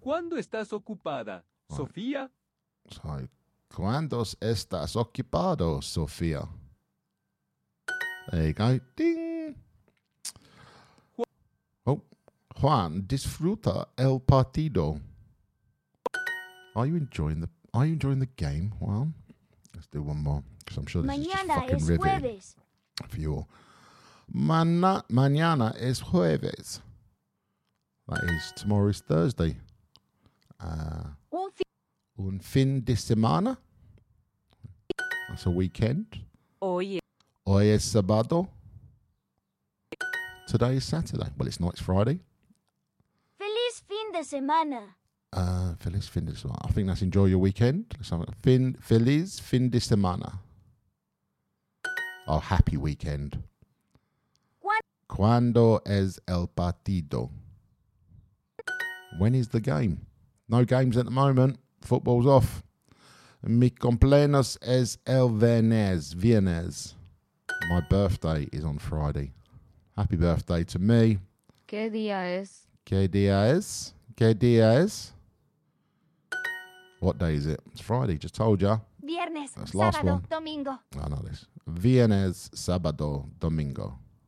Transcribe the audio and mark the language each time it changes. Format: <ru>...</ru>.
<es>¿Cuándo estás ocupada,</es> <en>right.</en> <es>Sofía?</es> <en>So,</en> <es>¿cuándo estás ocupado, Sofía?</es> <en>There you go. Ding.</en> <es>Oh, Juan, disfruta el partido.</es> <en>Are you enjoying the game, Juan? Let's do one more, because I'm sure this</en> <es>mañana</es> <en>is just fucking riveting.</en> <es>Mañana es jueves.</es> <en>For you all.</en> <es>Mañana es jueves.</es> <en>That is, tomorrow is Thursday.</en> <es>Un fin de semana.</es> <en>That's a weekend.</en> <es>Hoy es sábado.</es> <en>Today is Saturday. Well, it's not, it's Friday.</en> <es>Feliz fin de semana. Feliz fin de semana.</es> <en>I think that's enjoy your weekend.</en> <es>Feliz fin de semana.</es> <en>Oh, happy weekend.</en> <es>¿Cuándo es el partido?</es> <en>When is the game? No games at the moment. Football's off. Mi cumpleaños es el viernes. My birthday is on Friday. Happy birthday to me.</en> <es>¿Qué día es? ¿Qué día es? ¿Qué día es?</es> <en>What day is it? It's Friday, just told ya.</en> <es>Viernes,</es> <en>that's last</en> <es>sábado,</es> <en>one.</en> <es>Domingo.</es> <en>I know this.</en> <es>Viernes, sábado, domingo.</es>